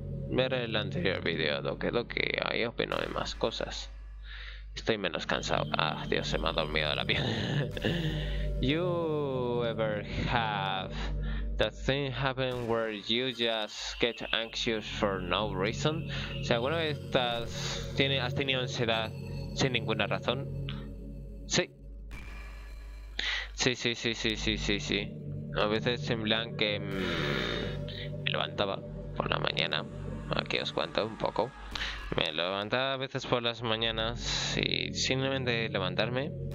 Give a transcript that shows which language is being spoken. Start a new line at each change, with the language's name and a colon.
Spanish: Ver el anterior video, Doki Doki, ahí opino de más cosas. Estoy menos cansado. Ah, Dios, se me ha dormido la piel.
English: You ever have that thing happen where you just get anxious for no reason?
Spanish: O sea, ¿alguna vez has tenido ansiedad sin ninguna razón? Sí. Sí. A veces en plan que me levantaba por la mañana. Aquí os cuento un poco. Me levantaba a veces por las mañanas y simplemente levantarme.